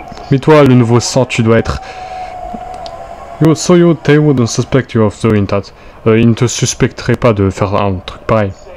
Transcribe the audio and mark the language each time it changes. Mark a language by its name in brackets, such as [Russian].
[French] Mais toi, le nouveau sang, tu dois être... [English] So you, they wouldn't suspect you of doing that. [French] Ils ne te suspecteraient pas de faire un truc pareil.